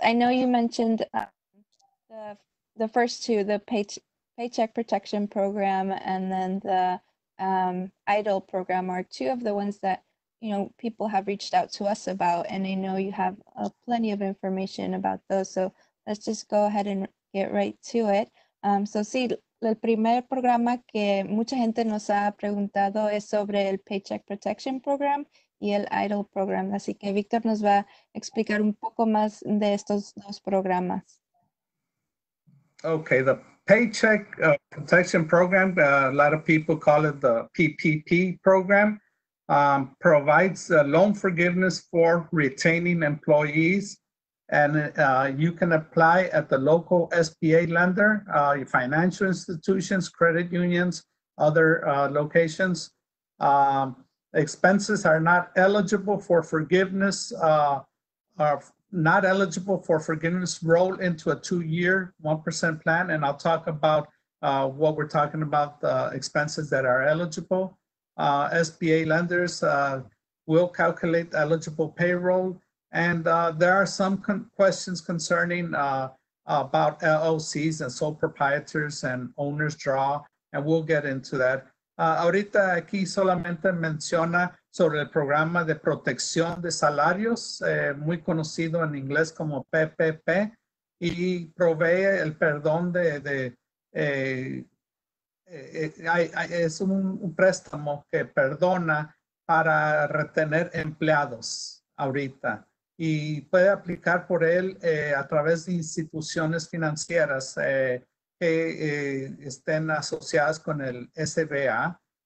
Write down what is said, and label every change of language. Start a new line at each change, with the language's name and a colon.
English: I know you mentioned the first two, the Paycheck Protection Program and then the EIDL program, are two of the ones that, you know, people have reached out to us about. And I know you have plenty of information about those. So let's just go ahead and get right to it.
Spanish: El primer programa que mucha gente nos ha preguntado es sobre el Paycheck Protection Program y el EIDL Program. Así que Víctor nos va a explicar un poco más de estos dos programas.
English: Okay, the Paycheck Protection Program, a lot of people call it the PPP program, provides loan forgiveness for retaining employees. And you can apply at the local SBA lender, your financial institutions, credit unions, other locations. Expenses are not eligible for forgiveness not eligible for forgiveness roll into a two-year 1% plan, and I'll talk about what we're talking about, the expenses that are eligible. SBA lenders will calculate eligible payroll, and there are some questions concerning about LLCs and sole proprietors and owner's draw, and we'll get into that.
Spanish: Ahorita aquí solamente menciona sobre el programa de protección de salarios, muy conocido en inglés como PPP, y provee el perdón es un préstamo que perdona para retener empleados ahorita, y puede aplicar por él a través de instituciones financieras que estén asociadas con el SBA.